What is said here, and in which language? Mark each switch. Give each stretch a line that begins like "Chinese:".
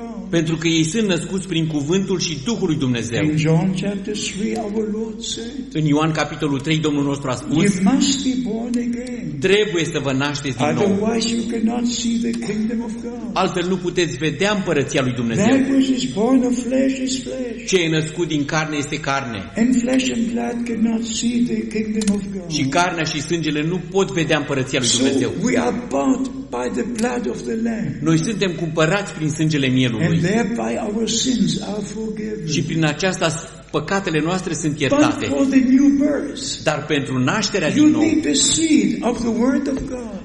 Romanian: Pentru că ei sunt născuți prin cuvântul și Duhul lui Dumnezeu.
English: In John chapter 3, our Lord said,
Romanian: în Ioan capitolul 3, Domnul nostru a spus,
English: you must be born again.
Romanian: Trebuie să vă nașteți din nou.
English: Otherwise you cannot see the kingdom of God.
Romanian: Altfel nu puteți vedea împărăția lui Dumnezeu.
English: That which is born of flesh is flesh.
Romanian: Ce e născut din carne este carne.
English: And flesh and blood cannot see the kingdom of God.
Romanian: Și carnea și sângele nu pot vedea împărăția lui Dumnezeu.
English: So we are bought by the blood of the Lamb.
Romanian: Noi suntem cumpărați prin sângele mielului.
English: And thereby our sins are forgiven.
Romanian: Și prin aceasta păcatele noastre sunt iertate.
English: But for the new birth,
Romanian: dar pentru nașterea
English: you
Romanian: din nou,
English: need the seed of the word of God.